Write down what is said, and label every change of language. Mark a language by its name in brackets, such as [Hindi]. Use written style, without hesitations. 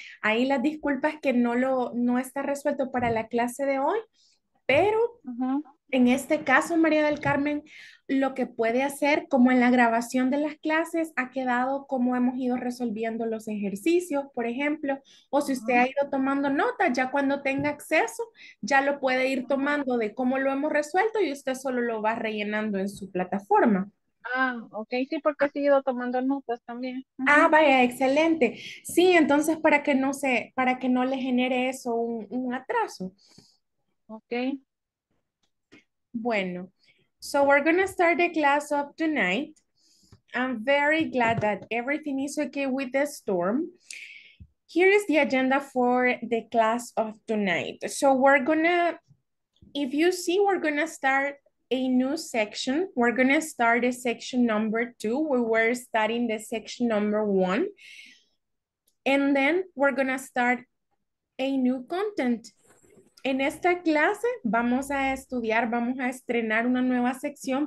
[Spanish] Ahí las disculpas que no está resuelto para la clase de hoy, pero en este caso, María del Carmen, lo que puede hacer, como en la grabación de las clases, ha quedado como hemos ido resolviendo los ejercicios, por ejemplo, o si usted ha ido tomando notas, ya cuando tenga acceso, ya lo puede ir tomando de cómo lo hemos resuelto y usted solo lo va rellenando en su plataforma. Okay, sí, porque he seguido tomando notas también. Ah, vaya, excelente. Sí, entonces para que no le genere eso un atraso. Okay. Bueno. [English] So we're going to start the class of tonight. I'm very glad that everything is okay with the storm. Here is the agenda for the class of tonight. So we're going to, if you see, we're going to start a new section. We're going to start a section number two. We were studying the section number one. And then we're going to start a new content. [Spanish] En esta clase vamos a estudiar, vamos a estrenar una nueva sección.